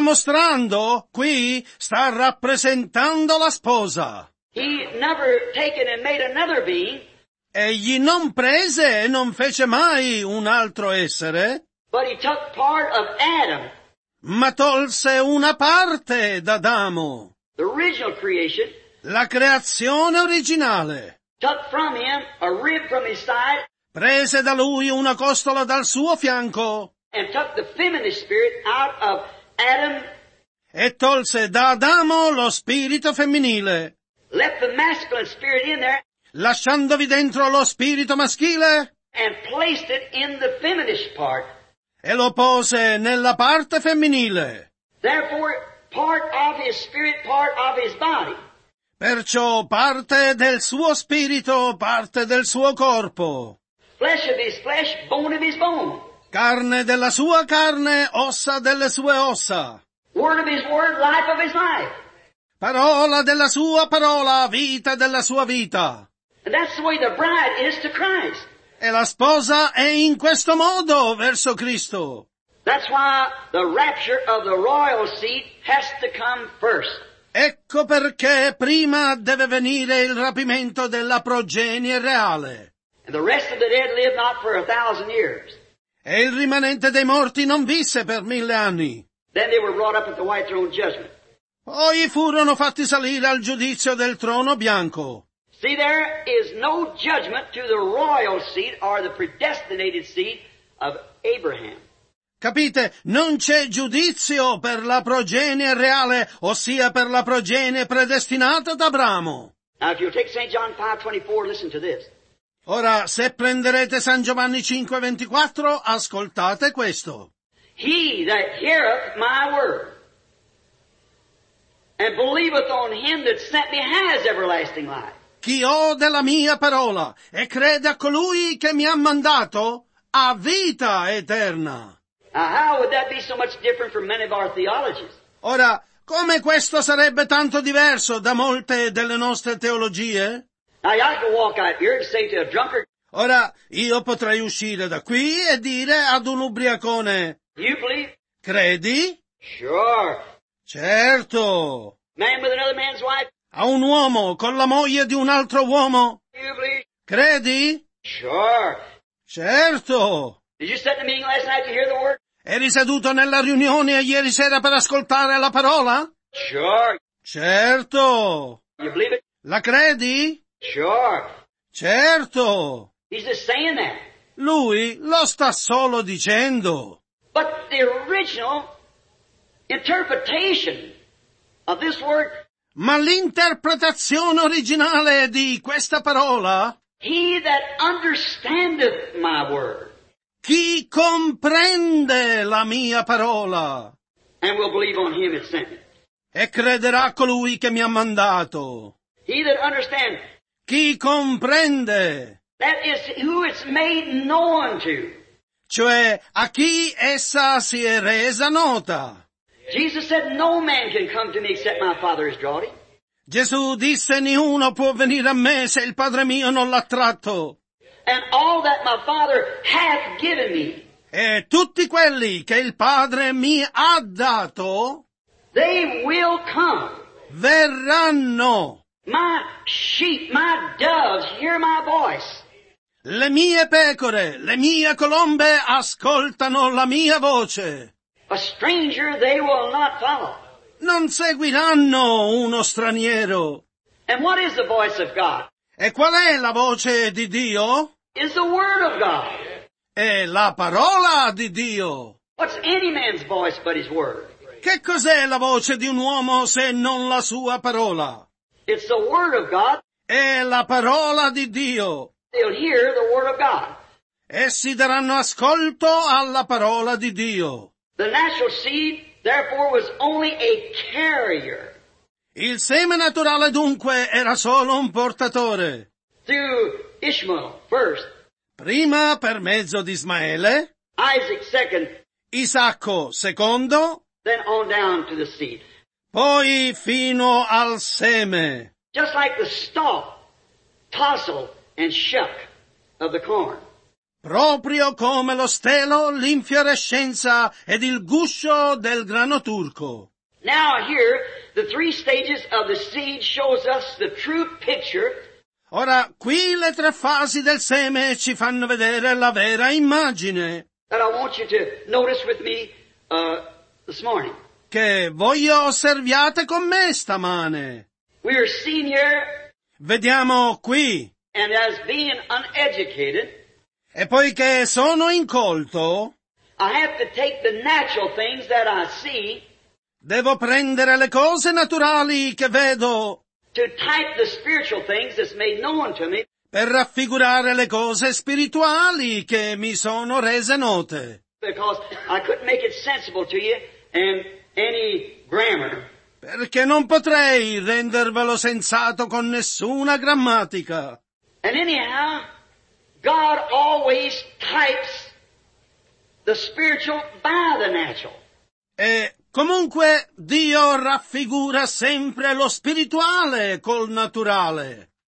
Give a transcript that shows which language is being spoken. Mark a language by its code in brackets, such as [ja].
[it] mostrando qui, sta rappresentando la sposa. [en] He never taken and made another being, [it] egli non prese e non fece mai un altro essere, [en] but he took part of Adam. [it] Ma tolse una parte d'Adamo. [en] The original creation. [it] La creazione originale. [en] Took from him a rib from his side. [it] Prese da lui una costola dal suo fianco. [en] And took the feminine spirit out of Adam. [it] E tolse da Adamo lo spirito femminile. [en] Left the masculine spirit in there. [it] Lasciandovi dentro lo spirito maschile. [en] And placed it in the feminine part. [it] E lo pose nella parte femminile. [en] Therefore, part of his spirit, part of his body. [it] Perciò parte del suo spirito, parte del suo corpo. [en] Flesh of his flesh, bone of his bone. [it] Carne della sua carne, ossa delle sue ossa. [en] Word of his word, life of his life. [it] Parola della sua parola, vita della sua vita. [en] And that's the way the bride is to Christ. [it] E la sposa è in questo modo verso Cristo. [en] That's why the rapture of the royal seat has to come first. [it] Ecco perché prima deve venire il rapimento della progenie reale. [en] And the rest of the dead lived not for 1,000 years. [it] E il rimanente dei morti non visse per 1,000 anni. [en] Then they were brought up at the white throne judgment. [it] Poi furono fatti salire al giudizio del trono bianco. [en] See, there is no judgment to the royal seat or the predestinated seat of Abraham. [it] Capite, non c'è giudizio per la progenie reale, ossia per la progenie predestinata d'Abramo. [en] Now, if you'll take St. John 5:24, listen to this. [it] Ora, se prenderete San Giovanni 5:24, ascoltate questo. [en] He that heareth my word and believeth on him that sent me has everlasting life. [it] Chi ode la mia parola e crede a colui che mi ha mandato ha vita eterna. [en] How would that be so much different from many of our theologies? [it] Ora, come questo sarebbe tanto diverso da molte delle nostre teologie? [en] Now, I could walk out here and say to a drunkard. [it] Ora, io potrei uscire da qui e dire ad un ubriacone. [en] You believe? [it] Credi? [en] Sure. [it] Certo. [en] Man with another man's wife. [it] A un uomo con la moglie di un altro uomo. [en] You believe? [it] Credi? [en] Sure. [it] Certo. [en] Did you sit in the meeting last night to hear the word? [it] Eri seduto nella riunione ieri sera per ascoltare la parola? [en] Sure. [it] Certo. [en] You believe it? [it] La credi? [en] Sure. [it] Certo. [en] He's just saying that. [it] Lui lo sta solo dicendo. [en] But the original interpretation of this word. [it] Ma l'interpretazione originale di questa parola. [en] He that understandeth my word. [it] Chi comprende la mia parola [en] and will believe on him that sent me. [it] E crederà a colui che mi ha mandato. [en] He that understands. [it] Chi comprende. [en] That is who it's made known to. [it] Cioè, a chi essa si è resa nota. [en] Jesus said, no man can come to me except my Father has drawn him. [it] Gesù disse, niuno può venire a me se il Padre mio non l'ha tratto. [en] And all that my Father hath given me. [it] E tutti quelli che il Padre mi ha dato. [en] They will come. [it] Verranno. [en] My sheep, my doves, hear my voice. [it] Le mie pecore, le mie colombe ascoltano la mia voce. [en] A stranger they will not follow. [it] Non seguiranno uno straniero. [en] And what is the voice of God? [it] E qual è la voce di Dio? [en] Is the word of God. [it] È la parola di Dio. [en] What's any man's voice but his word? [it] Che cos'è la voce di un uomo se non la sua parola? [en] It's the word of God. [it] È la parola di Dio. [en] They'll hear the word of God. [it] Essi daranno ascolto alla parola di Dio. [en] The natural seed, therefore, was only a carrier. [it] Il seme naturale dunque era solo un portatore. [en] Through Ishmael first. [it] Prima per mezzo di Ismaele. [en] Isaac second. [it] Isacco secondo. [en] Then on down to the seed. [it] Poi fino al seme. [en] Just like the stalk, tousle and shuck of the corn. [it] Proprio come lo stelo, l'infiorescenza ed il guscio del grano turco. [en] Now here, the three stages of the seed shows us the true picture. [it] Ora, qui le tre fasi del seme ci fanno vedere la vera immagine. [en] That I want you to notice with me, this morning. [it] Che voglio osserviate con me stamane. [en] We are seen here. [it] Vediamo qui. [en] And as being uneducated. [it] E poiché sono incolto. [en] I have to take the natural things that I see. [it] Devo prendere le cose naturali che vedo. [en] To type the spiritual things that's made known to me. [it] Per raffigurare le cose spirituali che mi sono rese note. [en] Because I couldn't make it sensible to you in any grammar. [it] perché non potrei rendervelo sensato con nessuna grammatica. [en] And anyhow, God always types the spiritual by the natural. [it] E comunque Dio raffigura sempre lo spirituale col naturale.